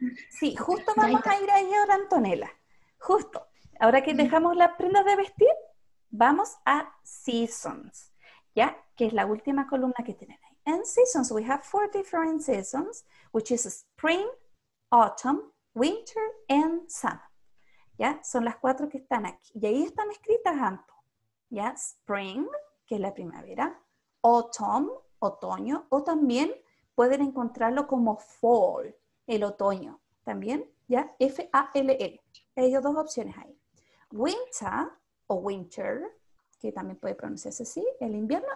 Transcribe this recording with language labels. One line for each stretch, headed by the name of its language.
Spanish: Sí, justo vamos a ir ahí ahora, Antonella. Justo. Ahora que dejamos las prendas de vestir, vamos a seasons, ¿ya? Que es la última columna que tienen ahí.
English: En seasons, we have four different seasons, which is spring, autumn, winter, and summer.
Spanish: ¿Ya? Son las cuatro que están aquí. Y ahí están escritas, Anto. ¿Ya? Spring, que es la primavera. Autumn, otoño. O también pueden encontrarlo como fall, el otoño. También, ¿ya? F-A-L-L. Hay dos opciones ahí. Winter o winter, que también puede pronunciarse así, el invierno.